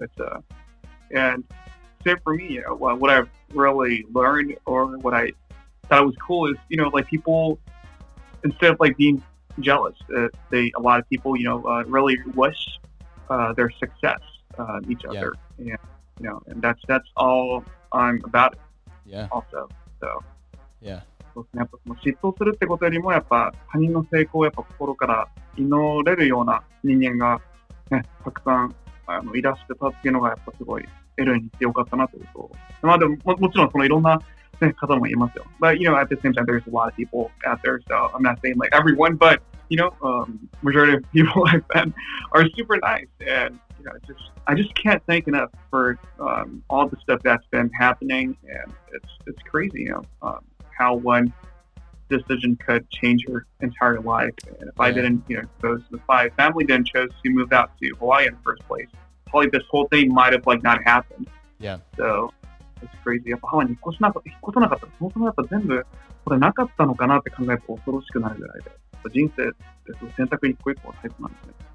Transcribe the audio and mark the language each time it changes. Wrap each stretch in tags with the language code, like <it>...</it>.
<en>It's and same for me, you know. Well, what I've really learned or what I thought was cool is, you know, like people, instead of like being jealous, a lot of people, you know, really wish their success each other. Yeah. And you know, and that's all I'm about it. Yeah. Also, so yeah.</en> <ja>そうですね、やっぱその嫉妬するってことよりもやっぱ他人の成功をやっぱ心から祈れるような人間がね、たくさんいらしてたっていうのがやっぱすごい LA に行ってよかったなというと、まあでも もちろんそのいろんな、ね、方もいますよ。</ja> <en>But you know, at the same time, there's a lot of people out there, so I'm not saying like everyone, but you know, majority of people I've met are super nice, and you know, I just can't thank enough for all the stuff that's been happening, and it's crazy, you know, how one decision could change your entire life. And if I didn't, you know, if my family didn't chose to move out to Hawaii in the first place, probably this whole thing might have like not happened. Yeah. So it's crazy.</en> <ja>やっぱハワイに引っ越さなかった。そもそもやっぱ全部これなかったのかなって考えると恐ろしくなるぐらいで。 But 人生って選択一個一個タイプなんですね。</ja>